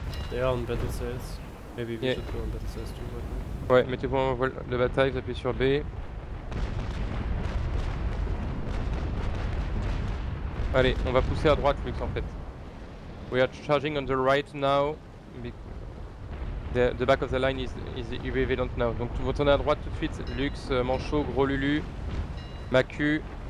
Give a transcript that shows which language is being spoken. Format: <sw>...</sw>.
<en>They are on battle cells. Maybe we should go on battle cells too, right?</en> <fr>Ouais, mettez-vous en de bataille, vous appuyez sur B. Allez, on va pousser à droite, Lux, en fait.</fr> <en>We are charging on the right now. The back of the line is irrelevant now.</en> <fr>Donc vous tournez à droite tout de suite, Lux, Manchot, Gros Lulu, Macu.</fr>